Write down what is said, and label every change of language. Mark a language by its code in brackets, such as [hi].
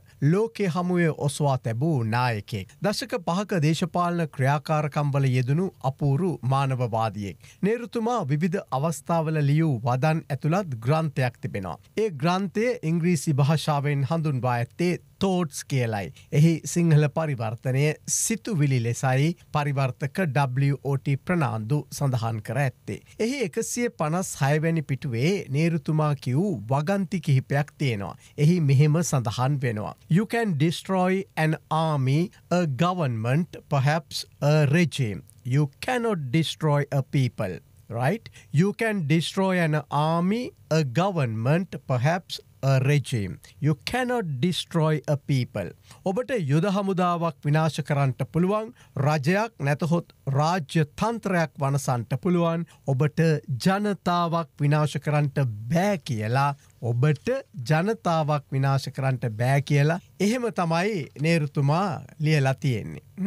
[si] ලෝකයේ හමුවේ ඔසවා තැබූ නායකයෙක් දශක පහක දේශපාලන ක්‍රියාකාරකම් වල යෙදුණු අපූරු මානවවාදියෙක් නේරුතුමා විවිධ අවස්ථාවල ලියූ වදන් ඇතුළත් ග්‍රන්ථයක් තිබෙනවා ඒ ග්‍රන්ථය ඉංග්‍රීසි භාෂාවෙන් හඳුන්වා ඇත්තේ Thoughts කියලයි. එහි සිංහල පරිවර්තනය සිතුවිලි ලෙසයි පරිවර්තක WOT ප්‍රනාන්දු සඳහන් කර ඇත්තේ. එහි 156 වැනි පිටුවේ නේරුතුමා කියූ වගන්ති කිහිපයක් තියෙනවා. එහි මෙහෙම සඳහන් වෙනවා. [en] You can destroy an army, a government, perhaps a regime. You cannot destroy a people, right? You can destroy an army, a government, perhaps A regime. You cannot destroy a people. [si] ඔබට යුද හමුදාවක් විනාශ කරන්නට පුළුවන් රජයක් නැතහොත් රාජ්‍ය තන්ත්‍රයක් වනසන්නට පුළුවන් ඔබට ජනතාවක් විනාශ කරන්නට බෑ කියලා ඔබට ජනතාවක් විනාශ කරන්නට බෑ කියලා එහෙම තමයි නේරුතුමා ලියලා තියෙන්නේ.